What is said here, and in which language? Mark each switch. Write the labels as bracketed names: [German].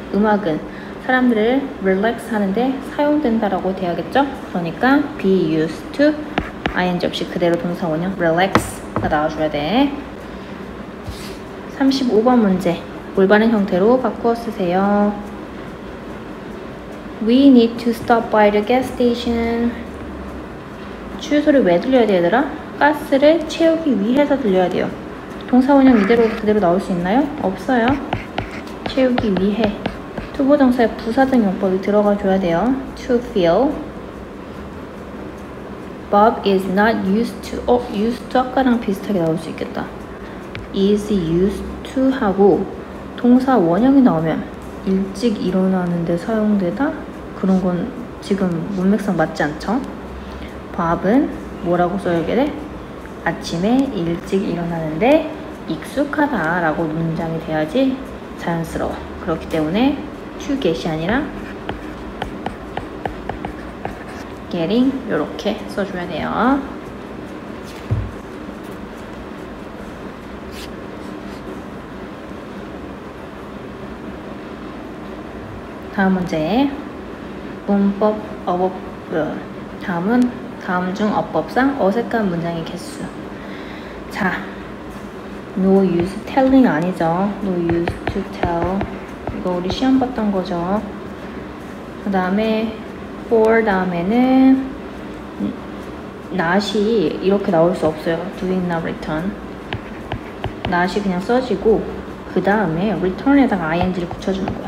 [Korean] 음악은 사람들을 릴렉스 하는데 사용된다라고 돼야겠죠? 그러니까 be used to ing 없이 그대로 동사 원형 relax가 나와줘야 돼. 35번 문제 올바른 형태로 바꾸어 쓰세요. [English] We need to stop by the gas station. [Korean] 주유소를 왜 들려야 돼 얘들아? 가스를 채우기 위해서 들려야 돼요. 동사원형 이대로 그대로 나올 수 있나요? 없어요. 채우기 위해 투부정사의 부사적 용법이 들어가 줘야 돼요. [English] To fill Bob is not used to used to [Korean] 아까랑 비슷하게 나올 수 있겠다. is used to 하고 동사원형이 나오면 일찍 일어나는데 사용되다? 그런 건 지금 문맥상 맞지 않죠? 밥은 뭐라고 써야 돼? 아침에 일찍 일어나는데 익숙하다 라고 문장이 돼야지 자연스러워. 그렇기 때문에 to get이 아니라 getting 이렇게 써줘야 돼요. 다음 문제 문법 어법 다음은 다음 중 어법상 어색한 문장의 개수. 자, no use telling 아니죠. [English] no use to tell. [Korean] 이거 우리 시험 봤던 거죠. 그 다음에 for 다음에는 not이 이렇게 나올 수 없어요. [English] doing not return. [Korean] not이 그냥 써지고 그 다음에 return에다가 ing를 붙여주는 거야.